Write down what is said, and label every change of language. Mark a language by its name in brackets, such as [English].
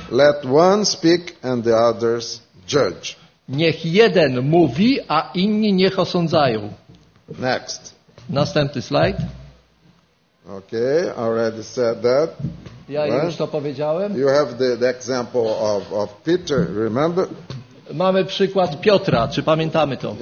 [English] let one speak and the others judge. [Polish] Niech jeden mówi, a inni niech osądzają. [English] Next. [Polish] Następny slajd. [English] Okay, already said that. [Polish] Ja już to powiedziałem. [English] You have the example of Peter, remember? [Polish] Mamy przykład Piotra, czy pamiętamy to?